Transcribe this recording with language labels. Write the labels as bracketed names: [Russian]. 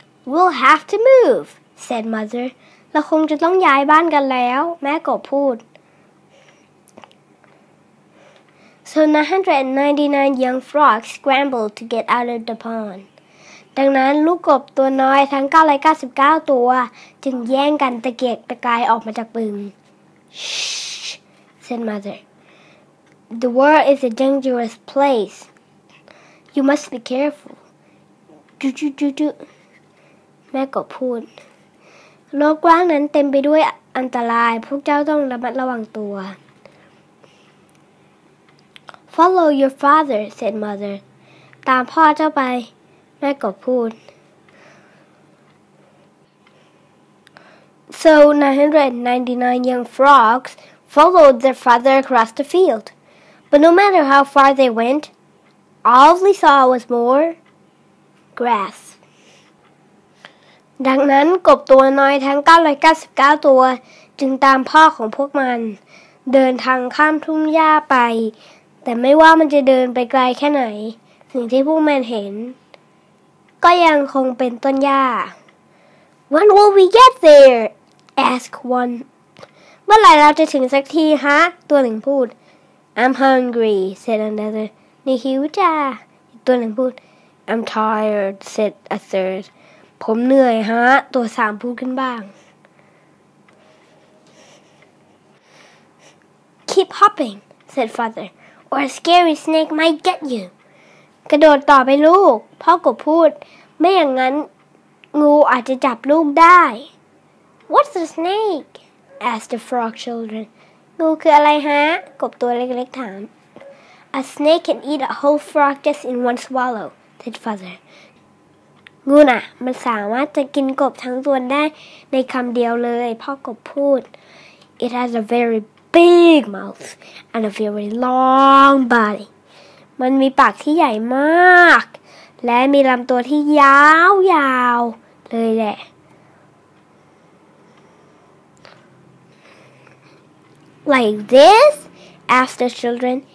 [English] We'll have to move said mother [Thai] เราคงจะต้องย้ายบ้านกันแล้วแม่กบพูด [English] So 999 young frogs scrambled to get out of the pond. [Thai] ดังนั้นลูกกบตัวน้อยทั้ง999ตัวจึงแย่งกันตะเกียกตะกายออกมาจากบึง [English] Shh, said mother. The world is a dangerous place. You must be careful. [Thai] แม่กบพูดโลกกว้างนั้นเต็มไปด้วยอันตรายพวกเจ้าต้องระมัดระวังตัว [English] Follow your father, said mother. [Thai] ตามพ่อเจ้าไปแม่กบพูด [English] So 999 young frogs followed their father across the field. But no matter how far they went, all they saw was more grass. [Thai] ดังนั้นกบตัวน้อยทั้ง999ตัวจึงตามพ่อของพวกมันเดินทางข้ามทุ่งหญ้าไปแต่ไม่ว่ามันจะเดินไปไกลแค่ไหนสิ่งที่พวกมันเห็นก็ยังคงเป็นต้นหญ้า [English] When will we get there? Ask one. [Thai] เมื่อไหร่เราจะถึงสักทีฮะตัวหนึ่งพูด [English] I'm hungry, said another. [Thai] นี่หิวจ้าตัวหนึ่งพูด [English] I'm tired, said a third. [Thai] ผมเหนื่อยฮะตัวสามพูดขึ้นบ้าง [English] Keep hopping, said father, or a scary snake might get you. [Thai] กระโดดต่อไปลูกพ่อกบพูดไม่อย่างนั้นงูอาจจะจับลูกได้ [English] What's a snake? Asked the frog children. [Thai] งูคืออะไรฮะกบตัวเล็กๆถาม [English] A snake can eat a whole frog just in one swallow, said father. [Thai] งูน่ะมันสามารถจะกินกบทั้งตัวได้ในคำเดียวเลยพ่อกบพูด [English] It has a very big mouth and a very long body. [Thai] มันมีปากที่ใหญ่มากและมีลำตัวที่ยาวยาวเลยแหละ [English] Like this? Asked the children.